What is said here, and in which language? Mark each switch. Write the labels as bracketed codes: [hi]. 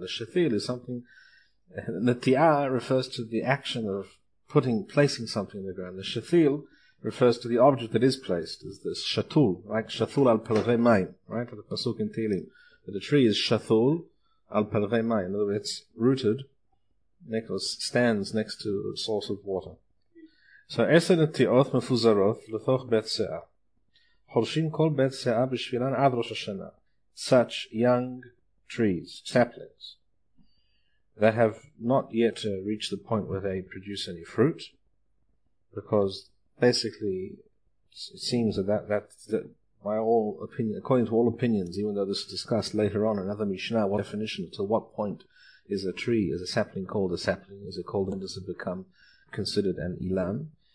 [en] The shathil is something, natia refers to the action of placing something in the ground. The shathil refers to the object that is placed, is the shatul, like shathul al pelvei mayim, right? For the pasuk in Tehilim. The tree is shathul al pelvei mayim. In other words, it's rooted, stands next to a source of water. [he] So, עשר נטיעות מפוזרות לתוך בית סאה. חורשים כל בית סאה בשבילן עד ראש השנה. [en] Such young trees, saplings, that have not yet reached the point where they produce any fruit, because basically it seems that by all opinion, according to all opinions, even though this is discussed later on in another Mishnah, what definition, to what point is a tree, is a sapling called a sapling, is it called and does it become considered an ilan?